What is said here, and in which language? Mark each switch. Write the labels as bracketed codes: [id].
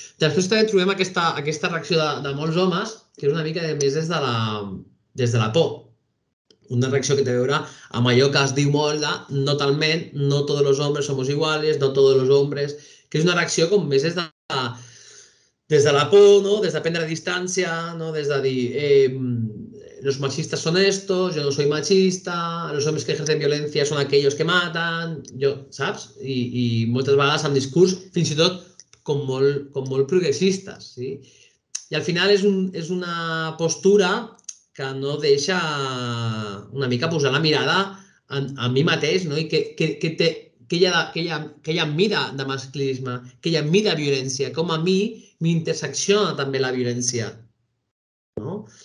[ca] Després també trobem aquesta reacció de molts homes, que és una mica més des de la por. Una reacció que té a veure amb allò que es diu molt de no talment, no tots els homes som iguals, no tots els homes, que és una reacció com més des de la por, no? Des de prendre distància, no? Des de dir, [es] los machistas son estos, yo no soy machista, los hombres que ejercen violencia son aquellos que matan, yo, [ca] ¿saps? I moltes vegades amb discurs, fins i tot, com molt progressistes, sí? I al final és, és una postura que no deixa una mica posar la mirada a mi mateix, no? I que hi ha mida de masclisme, que hi ha mida de violència, com a mi m'intersecciona també la violència, no?